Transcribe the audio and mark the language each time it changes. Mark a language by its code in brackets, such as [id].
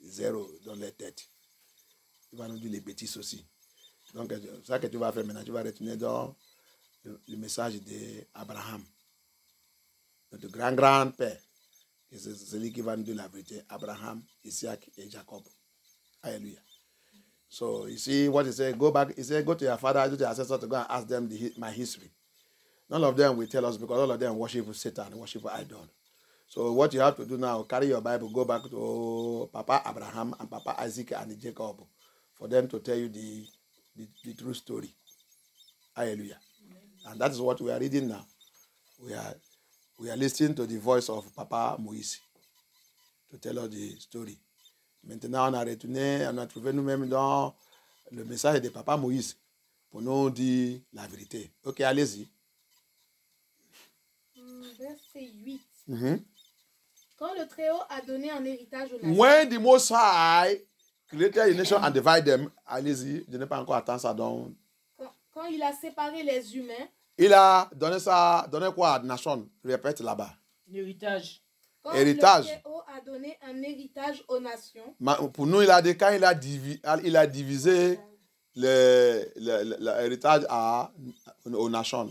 [fr] Zéro dans leur tête. Il va nous dire les bêtises aussi. Donc, ça que tu vas faire maintenant, tu vas retourner dans le message d'Abraham, notre grand père. Et c'est celui qui va nous donner la vérité, Abraham, Isaac et Jacob. Alléluia. [en] So, you see what he said, go back, he said, go to your father, go to your ancestors, to go and ask them my history. None of them will tell us because all of them worship Satan, worship idol. So what you have to do now, carry your Bible, go back to Papa Abraham and Papa Isaac and Jacob for them to tell you the true story. Hallelujah. And that is what we are reading now. We are listening to the voice of Papa Moïse to tell us the story. [fr] Maintenant, on a retourné, on a trouvé nous-mêmes dans le message de Papa Moïse pour nous dire la vérité. Ok, allez-y. Verset 8. Mm-hmm. Quand le Très-Haut a donné un héritage aux nations. [en] When the Most High created the nation and divided them. [fr] Allez-y, je n'ai pas encore attendu ça. Donc. Quand il a séparé les humains. Il a donné ça, donné quoi à la nation? Répète là-bas. L'héritage. Quand héritage. Le Très-Haut a donné un héritage aux nations. Ma, pour nous, il a dit quand il a divisé l'héritage aux nations.